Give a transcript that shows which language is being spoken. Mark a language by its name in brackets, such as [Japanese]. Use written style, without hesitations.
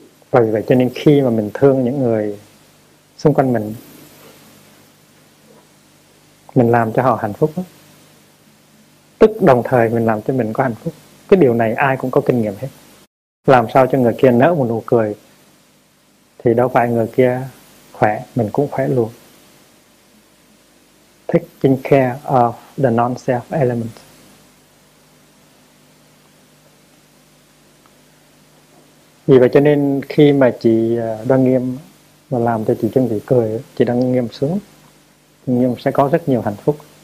[Vietnamese] Và vì vậy cho nên khi mà mình thương những người xung quanh mình làm cho họ hạnh phúc đó, tức đồng thời mình làm cho mình có hạnh phúc. Cái điều này ai cũng có kinh nghiệm hết. Làm sao cho người kia nở một nụ cười thì đâu phải người kia khỏe, mình cũng khỏe luôn. [English] Taking care of the non-self element. [Vietnamese] Vì vậy cho nên khi mà chị Đăng Nghiêm mà làm cho chị Chân Thị cười, chị Đăng Nghiêm sướng, nhưng sẽ có rất nhiều hạnh phúc.